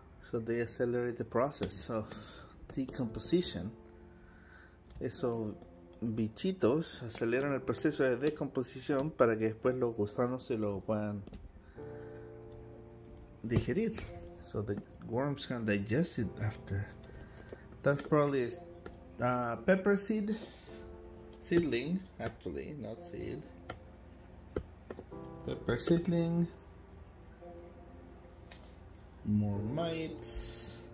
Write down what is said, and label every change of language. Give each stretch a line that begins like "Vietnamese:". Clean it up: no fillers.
English: So they accelerate the process of decomposition.
Spanish: Eso. Bichitos aceleran el proceso de descomposición para que después los gusanos se lo puedan digerir.
English: So the worms can digest it after. That's probably a pepper seed. Seedling, actually, not seed. Pepper seedling. More mites.